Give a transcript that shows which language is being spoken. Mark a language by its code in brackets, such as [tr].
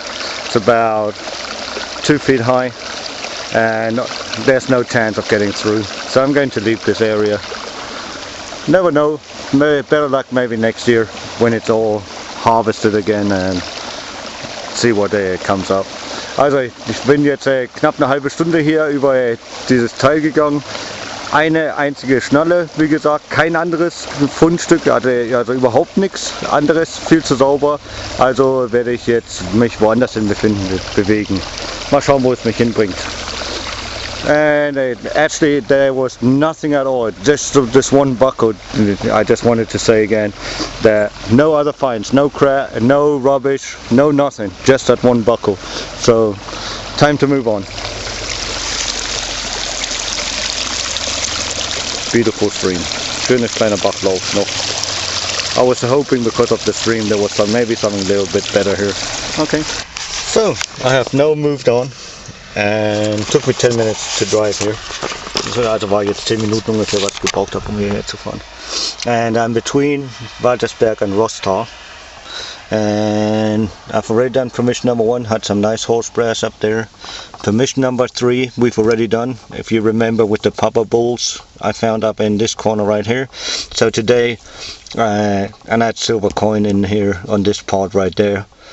[en] It's about 2 feet high, and there's no chance of getting through. So I'm going to leave this area. Never know, maybe better luck maybe next year when it's all harvested again and see what comes up. [de] Also ich bin jetzt knapp eine halbe Stunde hier über dieses Teil gegangen. Eine einzige Schnalle, wie gesagt, kein anderes Fundstück, also überhaupt nichts anderes, viel zu sauber. Also werde ich jetzt mich woanders hin bewegen. Mal schauen, wo es mich hinbringt. [en] And actually there was nothing at all, just this one buckle. I just wanted to say again that no other finds, no crap, no rubbish, no nothing, just that one buckle. So time to move on. Beautiful stream, [de] schönes kleiner Bachlauf noch. [en] I was hoping because of the stream there was some, maybe something a little bit better here. Okay. So, I have now moved on and took me 10 minutes to drive here. [de] So, also war jetzt 10 Minuten ungefähr, was ich gebraucht habe, um hierher zu fahren. [en] And I'm between Waltersberg and Roßthal. And I've already done permission number one, had some nice horse brass up there. Permission number three, we've already done, if you remember, with the papa bulls I found up in this corner right here. So today, and I had silver coin in here on this part right there.